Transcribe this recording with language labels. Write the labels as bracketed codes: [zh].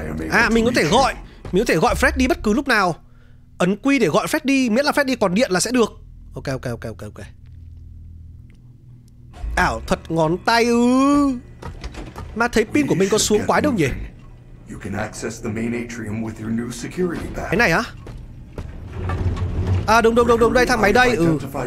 [vi] À, mình có thể gọi Freddy bất cứ lúc nào. Ấn Q để gọi Freddy, miễn là Freddy còn điện là sẽ được. Ok. Ảo thật ngón tay ư? Mà thấy pin của mình có xuống quái đâu nhỉ? [en] You can access the main atrium with your new security badge. [vi] Cái này á? À đúng đúng đúng đúng, đây thang máy đây. Ừ.